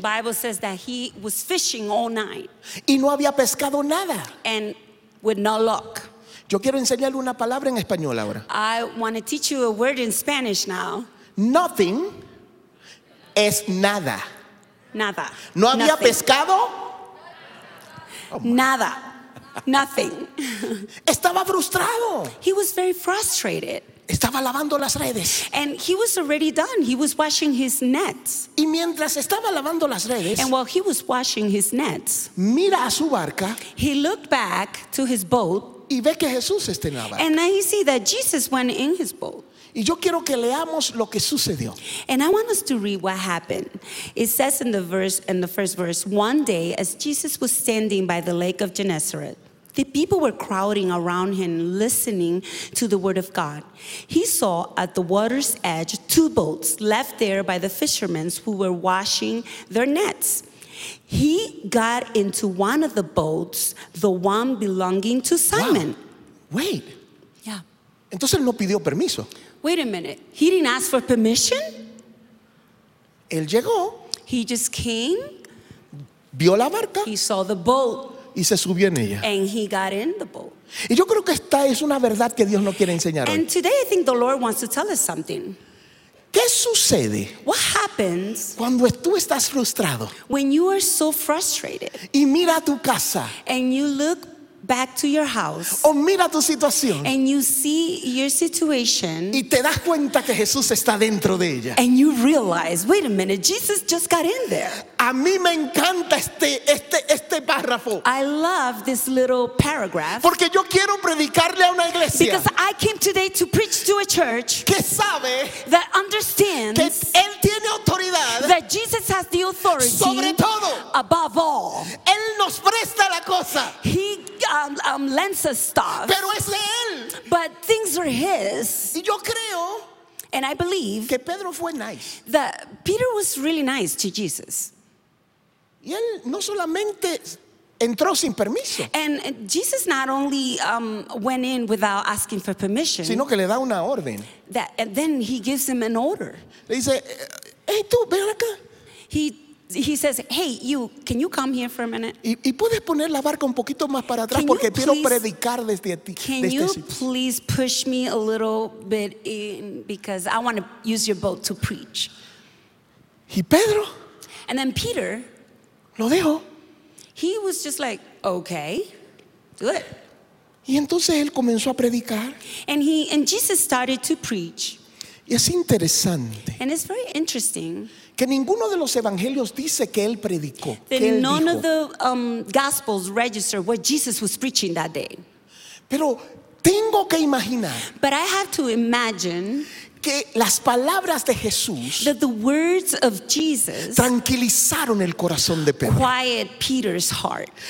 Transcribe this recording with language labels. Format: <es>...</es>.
<en>Bible says that he was fishing all night.</en> <es>Y no había pescado nada.</es> <en>And with no luck.</en> <es>Yo quiero enseñarle una palabra en español ahora.</es> <en>I want to teach you a word in Spanish now. Nothing</en> <es>es nada. Nada. No había</es> <en>Nothing.</en> <es>Pescado.</es> <en>Oh, nada. Nothing.</en> <es>Estaba frustrado.</es> <en>He was very frustrated.</en> <es>Estaba lavando las redes.</es> <en>And he was already done. He was washing his nets.</en> <es>Y mientras estaba lavando las redes,</es> <en>and while he was washing his nets,</en> <es>mira a su barca,</es> <en>he looked back to his boat.</en> <es>Y ve que Jesús está en la barca.</es> <en>And then he see that Jesus went in his boat.</en> <es>Y yo quiero que leamos lo que sucedió.</es> <en>And I want us to read what happened. It says in the first verse, one day as Jesus was standing by the lake of Gennesaret, The people were crowding around him, listening to the word of God. He saw at the water's edge two boats left there by the fishermen who were washing their nets. He got into one of the boats, the one belonging to Simon. Wow. Wait. Yeah.</en> <es>Entonces no pidió permiso.</es> <en>Wait a minute. He didn't ask for permission?</en> <es>Él llegó.</es> <en>He just came.</en> <es>Vio la barca.</es> <en>He saw the boat.</en> <es>Y se subió en ella.</es> <en>And he got in the boat.</en> <es>Y yo creo que esta es una verdad que Dios no quiere enseñar.</es> <en>And today I think the Lord wants to tell us something.</en> <es>¿Qué sucede?</es> <en>What happens</en> <es>cuando tú estás frustrado?</es> <en>When you are so frustrated.</en> <es>Y mira tu casa.</es> <en>And you look back to your house.</en> <es>O mira tu situación.</es> <en>And you see your situation.</en> <es>Y te das cuenta que Jesús está dentro de ella.</es> <en>And you realize, wait a minute, Jesus just got in there.</en> <es>A mí me encanta este párrafo.</es> <en>I love this little paragraph.</en> <es>Porque yo quiero predicarle a una iglesia.</es> <en>Because I came today to preach to a church.</en> <es>Que sabe.</es> <en>That understands.</en> <es>Que él tiene autoridad.</es> <en>That Jesus has the authority.</en> <es>Sobre todo.</es> <en>Above all.</en> <es>Él nos presta la cosa.</es> <en>He lends us stuff.</en> <es>Pero es de él.</es> <en>But things are his.</en> <es>Y yo creo.</es> <en>And I believe.</en> <es>Que Pedro fue nice.</es> <en>That Peter was really nice to Jesus.</en> <es>Y él no solamente entró sin permiso.</es> <en>And Jesus not only went in without asking for permission.</en> <es>Sino que le da una orden.</es> <en>That, and then he gives him an order.</en> <es>Le dice, hey tú, ven acá.</es> <en>He says, hey, you, can you come here for a minute?</en> <es>Y puedes poner la barca un poquito más para atrás porque quiero predicar desde ti.</es> <en>Can you please push me a little bit in because I want to use your boat to preach.</en> <es>Y Pedro.</es> <en>And then Peter.</en> <es>Lo dejó.</es> <en>He was just like, okay, do it.</en> <es>Y entonces él comenzó a predicar.</es> <en>And Jesus started to preach.</en> <es>Y es interesante.</es> <en>And it's very interesting.</en> <es>Que ninguno de los evangelios dice que él predicó.</es> <en>That</en> <es>que él</es> <en>none</en> <es>dijo.</es> <en>Of the gospels register what Jesus was preaching that day.</en> <es>Pero tengo que imaginar.</es> <en>But I have to imagine.</en> <es>Que las palabras de Jesús.</es> <en>That the words of Jesus.</en> <es>Tranquilizaron el corazón de Pedro.</es> <en>Quiet Peter's heart.</en>